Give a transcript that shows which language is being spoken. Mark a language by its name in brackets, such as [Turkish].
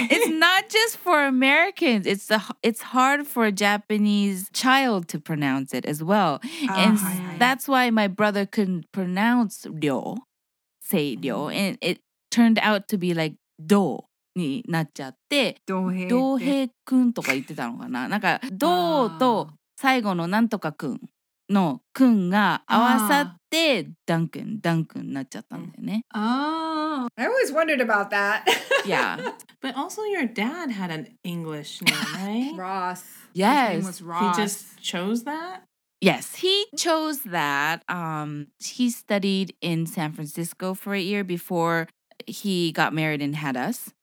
[English] it's not just for Americans it's hard for a Japanese child to pronounce it as well and that's why my brother couldn't pronounce ryo say ryo and it turned out to be like do [Japanese] になっちゃって、どうへいくんとか言ってたのかな。なんかどうと最後のなんとかくんのくんが合わさってダンクンダンクンになっちゃったんだよね。 [English] Oh, I always wondered about that. Yeah. But also your dad had an English name, right? Ross. Yes. His name was Ross. He just chose that? Yes, he chose that. He studied in San Francisco for a year before he got married and had us.